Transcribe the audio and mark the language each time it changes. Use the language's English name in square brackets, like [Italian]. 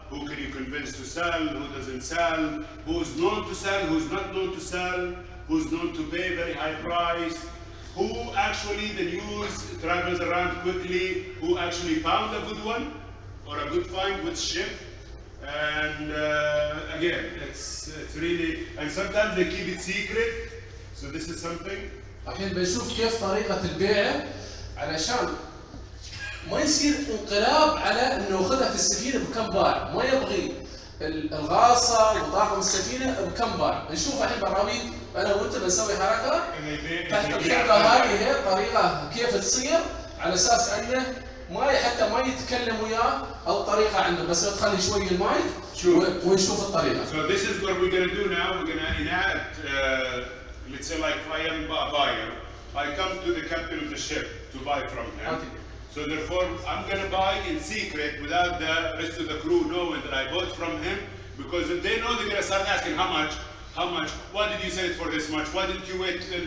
[English] Who can you convince to sell, who doesn't sell, who's known to sell, who's not known to sell, who's known to pay very high price, who actually the news travels around quickly, who actually found a good one or a good find with ship. And again, it's really, and sometimes they keep it secret. So this is something. [Arabic] الحين بنشوف كيف طريقة البيع علشان ما يصير انقلاب على انه اخذها في السفينه بكم باع، ما يبغي الغاصه وطاقم السفينه بكم باع، نشوف الحين براميل انا وانت بنسوي حركه تحت الحركه هاي، هي الطريقه كيف تصير على اساس انه ما حتى ما يتكلم وياه الطريقه عنده، بس تخلي شوي المايك ونشوف الطريقه. [English] So this is what we're gonna do now, we're gonna enact, let's say like if I am a buyer, I come to the captain of the ship to buy from him. Okay. So therefore, I'm gonna buy in secret without the rest of the crew knowing that I bought from him, because if they know, they're gonna start asking how much, why did you sell it for this much, why didn't you wait till